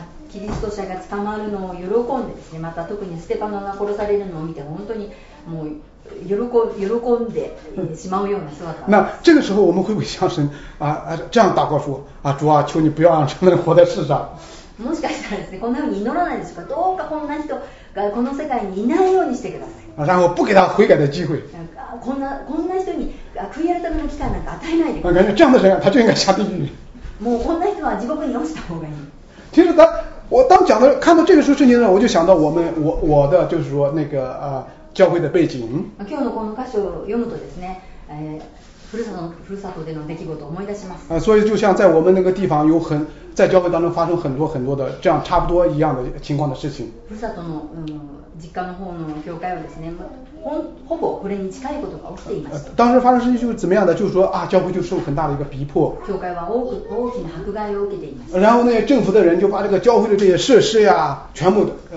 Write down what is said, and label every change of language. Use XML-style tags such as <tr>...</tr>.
<ja>キリスト者が捕まるのを喜んでですね、また特にステパノが殺されるのを見て本当にもう。喜んでしまうような人だった。</ja> <zh>那这个时候我们会不会向神这样祷告说主啊，求你不要让他们活在世上。</zh> <ja>もしかしたらですね、こんなふうに祈らないでしょうか。どうかこんな人この世界にいないようにしてください。</ja> <zh>然后不给他悔改的机会。</zh> <ja>こんな人に悔い改めの機会なんか与えないで。</ja> <zh>感觉这样的人他就应该下地狱。</zh> <ja>もうこんな人は地獄に落ちた方がいい。</ja> <zh>其实我当讲的看到这个书圣经呢，我就想到我的就是说那个啊教会的背景。</zh> <ja>今日のこの箇所を読むとですね、ふるさとでの出来事を思い出します。</ja> <zh>所以就像在我们那个地方有很在教会当中发生很多很多的这样差不多一样的情况的事情。</zh> <ja>ふるさとの、実家の方の教会はですね、ほぼこれに近いことが起きています。</ja> <zh>当时发生事情就是怎么样的，就是说啊教会就受很大的一个逼迫。</zh> <ja>教会は大きな迫害を受けています。</ja> <zh>然后呢政府的人就把这个教会的这些设施呀全部的</zh>